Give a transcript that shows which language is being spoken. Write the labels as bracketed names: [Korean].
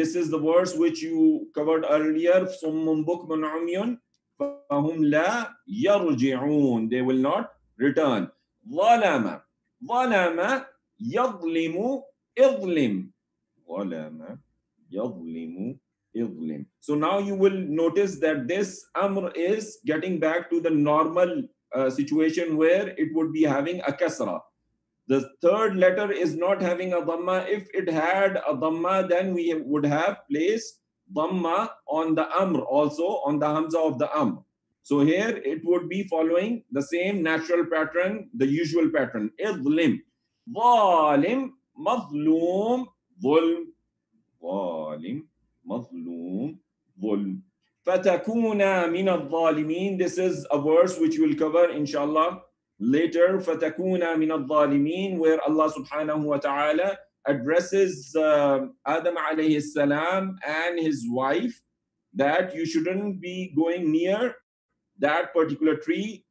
[English] This is the verse which you covered earlier, [Arabic] صمم بكم عمي فهم لا يرجعون, [English] they will not return. [Arabic] ظلم ظلم يظلم اظلم ظلم يظلم. [English] So now you will notice that this amr is getting back to the normal situation where it would be having a kasra. The third letter is not having a dhamma. If it had a dhamma, then we would have placed dhamma on the amr, also on the hamza of the amr. So here it would be following the same natural pattern, the usual pattern. [Arabic] Idlim, zalim, mazloom, zulm, zalim. مظلوم ظلم فتكون من الظالمين. [English] This is a verse which we'll cover inshallah later. [Arabic] فتكون من الظالمين, [English] where Allah subhanahu wa ta'ala addresses Adam alayhi salam and his wife that you shouldn't be going near that particular tree.